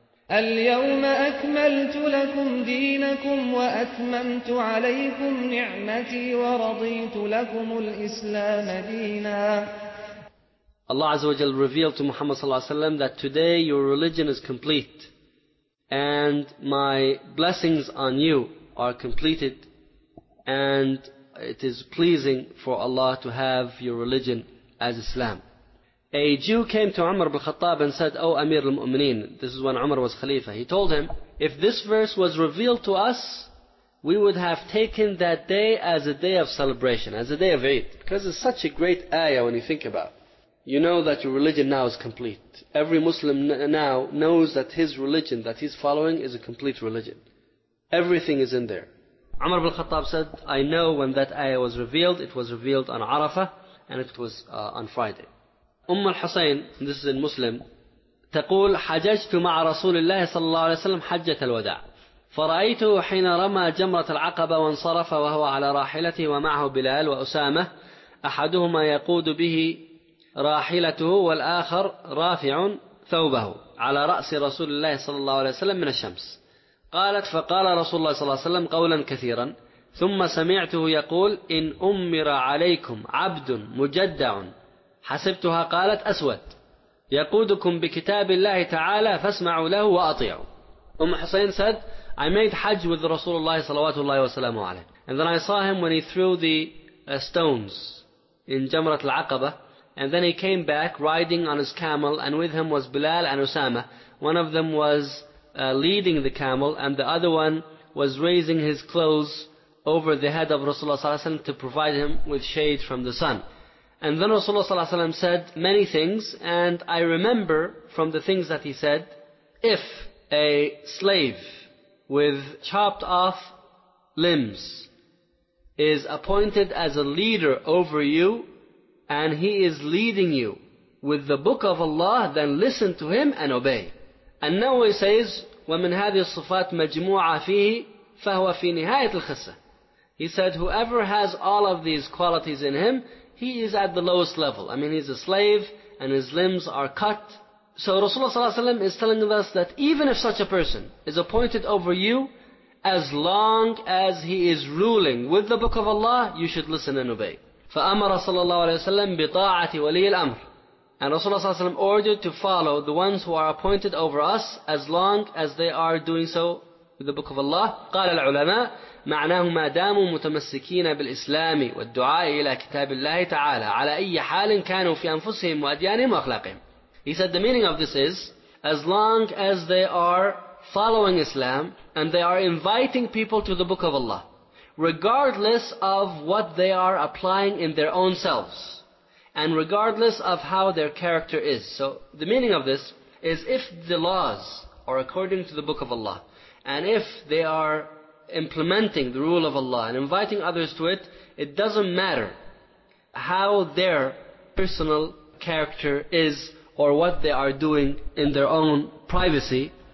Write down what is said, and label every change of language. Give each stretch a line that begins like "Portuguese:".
Arabic: اليوم أكملت لكم دينكم وأتممت عليكم نعمتي ورضيت لكم الإسلام دينا.
English: Allah Azza wa Jalla revealed to Muhammad sallallahu alaihi wasallam that today your religion is complete and my blessings on you are completed, and it is pleasing for Allah to have your religion as Islam. A Jew came to Umar al-Khattab and said, Oh Amir al-Mu'mineen, this is when Umar was Khalifa. He told him, if this verse was revealed to us, we would have taken that day as a day of celebration, as a day of Eid. Because it's such a great ayah when you think about it. You know that your religion now is complete. Every Muslim now knows that his religion that he's following is a complete religion. Everything is in there. Umar al-Khattab said, I know when that ayah was revealed. It was revealed on Arafah and it was on Friday.
Arabic: أم الحسين,
English: this is in Muslim,
Arabic: تقول حججت مع رسول الله صلى الله عليه وسلم حجة الوداع فرأيته حين رمى جمرة العقبة وانصرف وهو على راحلته ومعه بلال وأسامة أحدهما يقود به راحلته والآخر رافع ثوبه على رأس رسول الله صلى الله عليه وسلم من الشمس قالت فقال رسول الله صلى الله عليه وسلم قولا كثيرا ثم سمعته يقول إن أمر عليكم عبد مجدع حسبتها قالت أسود يقودكم بكتاب الله تعالى فاسمعوا له وأطيعوا.
English: أم حسين said, I made Hajj with Rasulullah
Arabic: صلوات الله وسلامه عليه.
English: And then I saw him when he threw the stones in جمرة العقبة. And then he came back riding on his camel, and with him was Bilal and Usama. One of them was leading the camel, and the other one was raising his clothes over the head of Rasulullah ﷺ to provide him with shade from the sun. And then Rasulullah ﷺ said many things, and I remember from the things that he said, if a slave with chopped off limbs is appointed as a leader over you, and he is leading you with the book of Allah, then listen to him and obey. And now he says,
Arabic: وَمِنْ هَذِهِ الصِّفَاتِ مَجْمُوعَ فِيهِ فَهُوَ فِي نِهَايَةِ الْخِسَةِ.
English: He said, whoever has all of these qualities in him, he is at the lowest level. I mean, he's a slave and his limbs are cut. So Rasulullah ﷺ is telling us that even if such a person is appointed over you, as long as he is ruling with the book of Allah, you should listen and obey.
Arabic: فَأَمَرَ صَلَى اللَّهُ عَلَيْهِ وَسَلَّمْ بِطَاعَةِ وَلِيِّ الْأَمْرِ.
English: And Rasulullah ﷺ ordered to follow the ones who are appointed over us as long as they are doing so with the book of Allah.
Arabic: قَالَ الْعُلَمَاءُ معناه ما داموا متمسكين بالإسلام والدعاء إلى كتاب الله تعالى على أي حال كانوا في أنفسهم وأديانهم وأخلاقهم.
English: He said the meaning of this is, as long as they are following Islam and they are inviting people to the book of Allah, regardless of what they are applying in their own selves and regardless of how their character is. So the meaning of this is, if the laws are according to the book of Allah and if they are implementing the rule of Allah and inviting others to it, it doesn't matter how their personal character is or what they are doing in their own privacy.